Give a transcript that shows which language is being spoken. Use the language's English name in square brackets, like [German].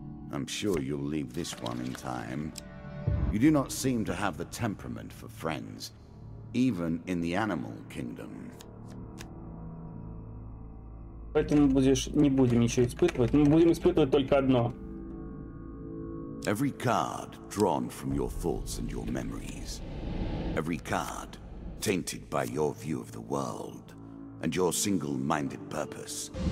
[English] I'm sure you'll leave this one in time. You do not seem to have the temperament for friends, even in the animal kingdom. [Russian] Поэтому не будем ничего испытывать. Мы будем испытывать только одно. [English] Every card drawn from your thoughts and your memories. Every card tainted by your view of the world and your single-minded purpose.